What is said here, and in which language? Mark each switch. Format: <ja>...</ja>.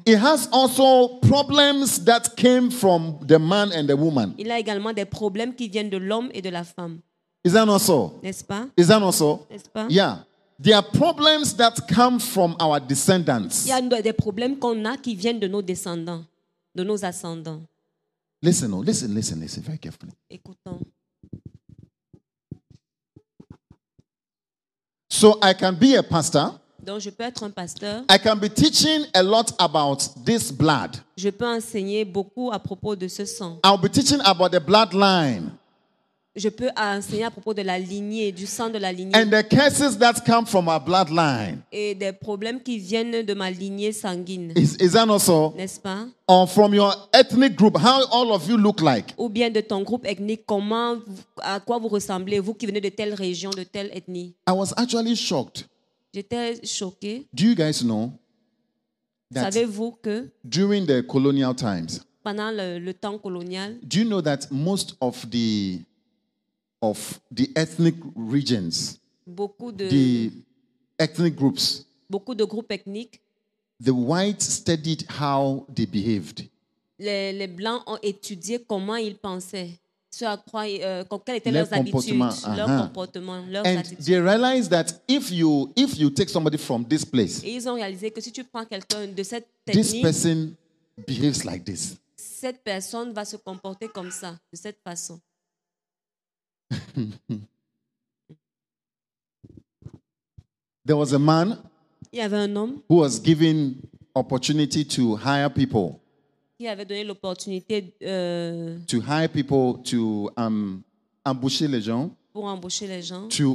<en>It has also problems that came from the man and the woman.</en> <fr>Il a également des problèmes qui viennent de l'homme et de la femme.</fr> <en>Is that not so?</en> <fr>N'est-ce pas?</fr> <en>Is that not so?</en> <fr>N'est-ce pas?</fr> <en>Yeah. There are problems that come from our descendants.</en> <fr>Il y a des problèmes qu'on a qui viennent de nos descendants, de nos ascendants.</fr> <en>Listen very carefully.</en> <fr>Écoutons.</fr> <en>So I can be a pastor.</en> <fr>Donc je peux être un pasteur.</fr> <en>I can be teaching a lot about this blood.</en> <fr>Je peux enseigner beaucoup à propos de ce sang.</fr> <en>I'll be teaching about the bloodline.</en> <fr>Je peux enseigner à propos de la lignée, du sang de la lignée.</fr> <en>And the curses that come from our bloodline.</en> <fr>Et des problèmes qui viennent de ma lignée sanguine.</fr> <en>Is that not so?</en> <fr>N'est-ce pas?</fr> <en>Or from your ethnic group, how all of you look like?</en> <fr>Ou bien de ton groupe ethnique, comment, à quoi vous ressemblez, vous qui venez de telle région, de telle ethnie?</fr> <en>I was actually shocked.</en> <fr>J'étais choqué.</fr> <en>Do you guys know that</en> <fr>savez-vous que</fr> <en>during the colonial times,</en> <fr>pendant le temps colonial,</fr> <en>do you know that most of the ethnic regions, the ethnic groups,</en> <fr>beaucoup de groupes ethniques,</fr> <en>the whites studied how they behaved.</en> <fr>Les blancs ont étudié comment ils pensaient, ce à quoi, quelles étaient leurs habitudes, leurs comportements, leurs</fr> <en>and</en> <fr>attitudes.</fr> <en>And they realized that if you take somebody from this place,</en> <fr>et ils ont réalisé que si tu prends quelqu'un de cette ethnie,</fr> <en>this person behaves like this.</en> <fr>Cette personne va se comporter comme ça, de cette façon.</fr> <en>There was a man,</en> <fr>il y avait un homme,</fr> <en>who was given opportunity to hire people.</en> <fr>Il avait donné l'opportunité</fr> <en>to hire people to</en> <fr>embaucher les gens, pour embaucher les gens,</fr>